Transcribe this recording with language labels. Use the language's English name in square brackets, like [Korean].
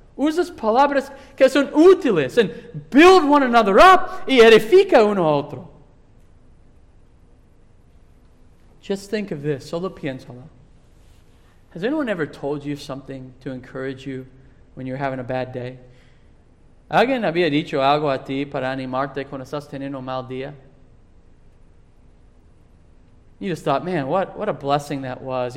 [Spanish] Usas palabras que son útiles. [English] And build one another up [Spanish] y edifica uno a otro. [English] Just think of this. [Spanish] Solo piénsalo. [English] Has anyone ever told you something to encourage you when you're having a bad day? [Spanish] ¿Alguien había dicho algo a ti para animarte cuando estás teniendo un mal día? [English] You just thought, man, what a blessing that was.